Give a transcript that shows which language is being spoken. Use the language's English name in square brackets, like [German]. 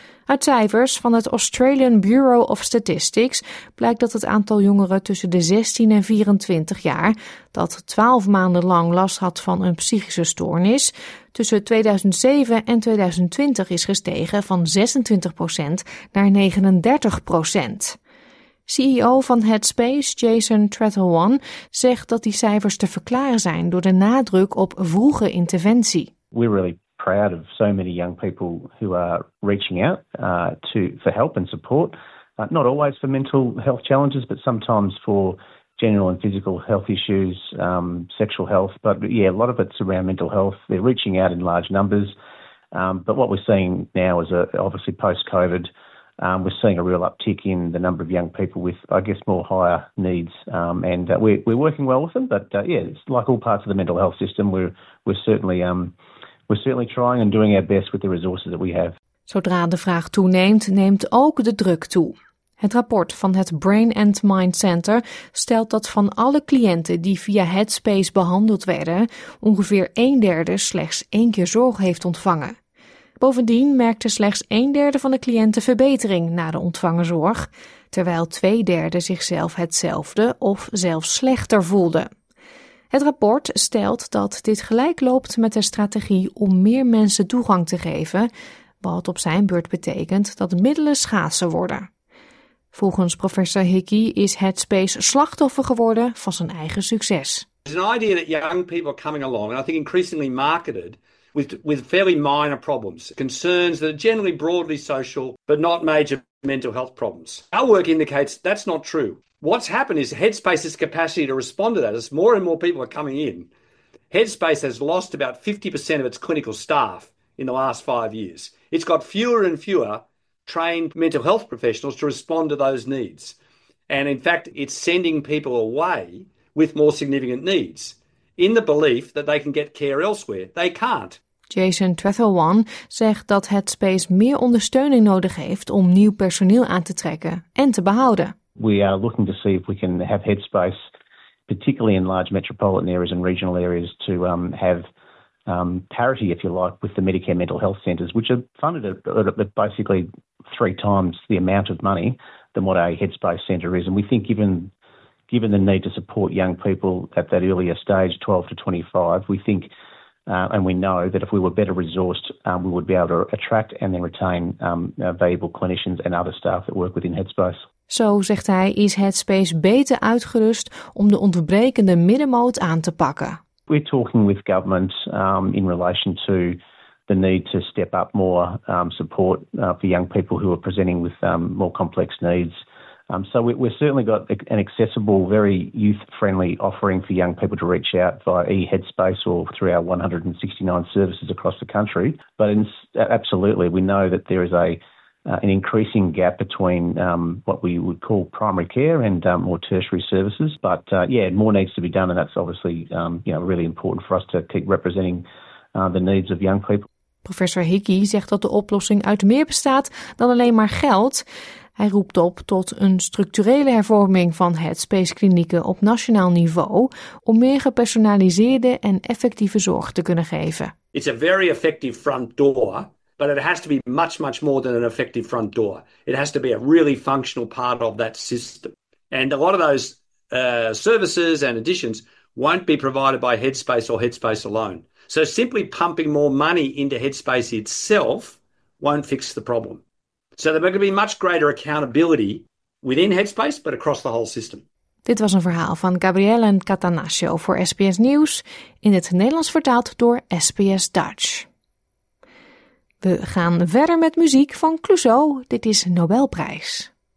[Dutch] Uit cijfers van het Australian Bureau of Statistics blijkt dat het aantal jongeren tussen de 16 en 24 jaar dat 12 maanden lang last had van een psychische stoornis tussen 2007 en 2020 is gestegen van 26% naar 39%. CEO van Headspace, Jason Trethewan, zegt dat die cijfers te verklaren zijn door de nadruk op vroege interventie. [English] We're really proud of so many young people who are reaching out for help and support, not always for mental health challenges, but sometimes for general and physical health issues, sexual health. But yeah, a lot of it's around mental health. They're reaching out in large numbers. But what we're seeing now is obviously post-COVID, we're seeing a real uptick in the number of young people with, I guess, more higher needs. We're working well with them. But it's like all parts of the mental health system, we're certainly trying and doing our best with the resources that we have. [Dutch] Zodra de vraag toeneemt, neemt ook de druk toe. Het rapport van het Brain and Mind Center stelt dat van alle cliënten die via Headspace behandeld werden, ongeveer 1/3 slechts 1 keer zorg heeft ontvangen. Bovendien merkte slechts 1/3 van de cliënten verbetering na de ontvangen zorg, terwijl 2/3 zichzelf hetzelfde of zelfs slechter voelde. Het rapport stelt dat dit gelijk loopt met de strategie om meer mensen toegang te geven, wat op zijn beurt betekent dat middelen schaarser worden. Volgens professor Hickey is Headspace slachtoffer geworden van zijn eigen succes. [English] There's an idea that young people are coming along, and I think increasingly marketed with fairly minor problems, concerns that are generally broadly social, but not major mental health problems. Our work indicates that's not true. What's happened is Headspace's capacity to respond to that, as more and more people are coming in, Headspace has lost about 50% of its clinical staff in the last 5 years. It's got fewer and fewer trained mental health professionals to respond to those needs. And in fact, it's sending people away with more significant needs in the belief that they can get care elsewhere. They can't. [Dutch] Jason Trethewan zegt dat Headspace meer ondersteuning nodig heeft om nieuw personeel aan te trekken en te behouden. [English] We are looking to see if we can have Headspace, particularly in large metropolitan areas and regional areas, to have parity, if you like, with the Medicare mental health centres, which are funded at basically 3 times the amount of money than what a Headspace centre is. And we think given the need to support young people at that earlier stage, 12 to 25, we think and we know that if we were better resourced, we would be able to attract and then retain valuable clinicians and other staff that work within Headspace. [Dutch] Zo, zegt hij, is Headspace beter uitgerust om de ontbrekende middenmoot aan te pakken. [English] We're talking with government in relation to the need to step up more support for young people who are presenting with more complex needs. So we've certainly got an accessible, very youth-friendly offering for young people to reach out via eHeadspace or through our 169 services across the country. But absolutely, we know that there is an increasing gap between what we would call primary care and more tertiary services. But more needs to be done, and that's obviously really important for us to keep representing the needs of young people. [Dutch] Professor Hickey zegt dat de oplossing uit meer bestaat dan alleen maar geld. Hij roept op tot een structurele hervorming van Headspace klinieken op nationaal niveau om meer gepersonaliseerde en effectieve zorg te kunnen geven. [English] It's a very effective front door. But it has to be much, much more than an effective front door. It has to be a really functional part of that system. And a lot of those services and additions won't be provided by Headspace or Headspace alone. So simply pumping more money into Headspace itself won't fix the problem. So there's going to be much greater accountability within Headspace, but across the whole system. [Dutch] Dit was een verhaal van Gabrielle Catanasio voor SBS Nieuws, in het Nederlands vertaald door SBS Dutch. We gaan verder met muziek van Clouseau. Dit is Nobelprijs.